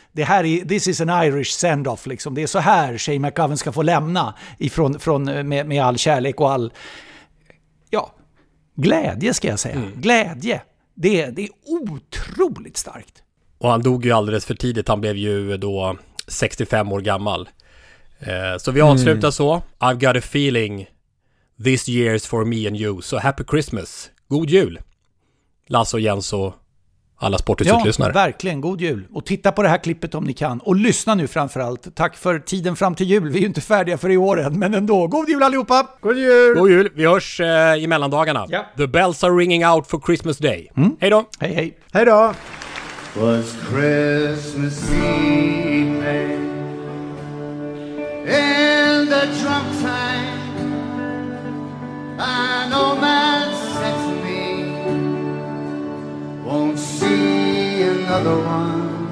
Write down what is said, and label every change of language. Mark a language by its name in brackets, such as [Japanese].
[Swedish] Det här är, [English] this is an Irish send-off. [Swedish] Liksom. Det är så här Shane McGowan ska få lämna ifrån, med all kärlek och all... ja, glädje ska jag säga. Mm. Glädje. Det är otroligt starkt. Och han dog ju alldeles för tidigt. Han blev ju då 65 år gammal. Så vi avslutar så. [English] I've got a feeling this year's for me and you. So happy Christmas. [Swedish] God jul. Lasse och Jens och alla sportutlyssnare. Ja, verkligen. God jul. Och titta på det här klippet om ni kan. Och lyssna nu framförallt. Tack för tiden fram till jul. Vi är ju inte färdiga för i år än, men ändå. God jul allihopa. God jul. God jul. Vi hörs i mellandagarna. Ja. [English] The bells are ringing out for Christmas Day. [Swedish] Mm. Hej då. Hej, hej. Hej då. [English] Was Christmas Eve, in the drunk time, an old man said to me, won't see another one.